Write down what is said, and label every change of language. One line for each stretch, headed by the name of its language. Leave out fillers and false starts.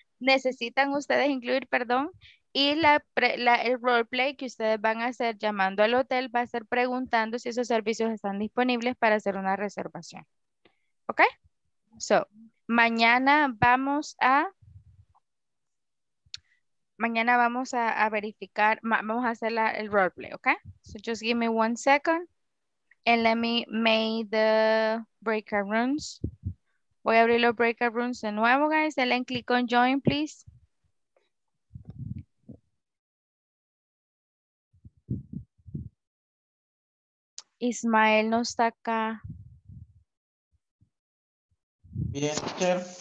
Spanish: Necesitan ustedes incluir, perdón. Y el roleplay que ustedes van a hacer llamando al hotel va a ser preguntando si esos servicios están disponibles para hacer una reservación. ¿Ok? So, mañana vamos a... Mañana vamos a verificar, vamos a hacer el roleplay, ¿ok?
English: So just give me one second and let me make the breakout rooms.
Spanish: Voy a abrir los breakout rooms de nuevo, guys. Denle
English: click on join, please.
Spanish: Ismael no está acá. Bien, sir.